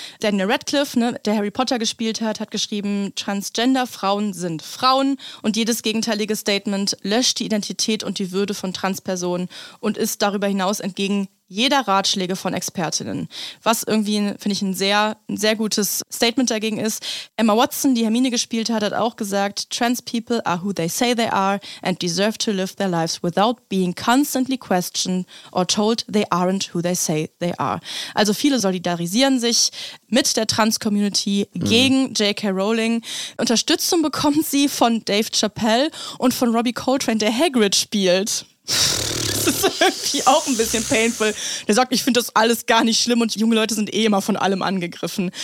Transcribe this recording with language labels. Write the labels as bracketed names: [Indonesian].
[German] Daniel Radcliffe, ne, der Harry Potter gespielt hat, hat geschrieben, Transgender Frauen sind Frauen und jedes gegenteilige Statement löscht die Identität und die Würde von Transpersonen und ist darüber hinaus entgegen jeder Ratschläge von ExpertInnen. Was irgendwie, finde ich, ein sehr gutes Statement dagegen ist. [English] Emma Watson, [German] die Hermine gespielt hat, hat auch gesagt, [English] Trans people are who they say they are and deserve to live their lives without being constantly questioned or told they aren't who they say they are. [German] Also viele solidarisieren sich mit der Trans-Community gegen J.K. Rowling. Unterstützung bekommt sie von Dave Chappelle und von Robbie Coltrane, der Hagrid spielt. Das ist irgendwie auch ein bisschen painful. Der sagt, ich finde das alles gar nicht schlimm und junge Leute sind eh immer von allem angegriffen.